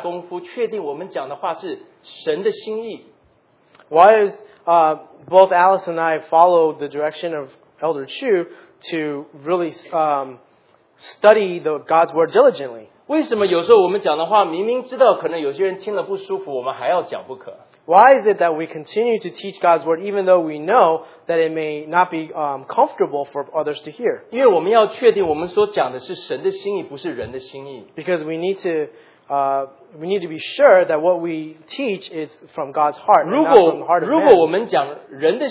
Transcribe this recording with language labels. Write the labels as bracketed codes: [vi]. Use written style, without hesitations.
[zh] 为什么Alice跟我也遵照朱长老他过去的带领，我们要好好的在神的话上面下功夫，确定我们讲的话是神的心意。 [en] Why is both Alice and I follow the direction of Elder Chu to really study the God's word diligently? [zh] 为什么有时候我们讲的话，明明知道可能有些人听了不舒服，我们还要讲不可？ [en] Why is it that we continue to teach God's word even though we know that it may not be comfortable for others to hear? [zh] 因为我们要确定我们所讲的是神的心意，不是人的心意。 [en] Because we need to be sure that what we teach is from God's heart, not from the heart of man.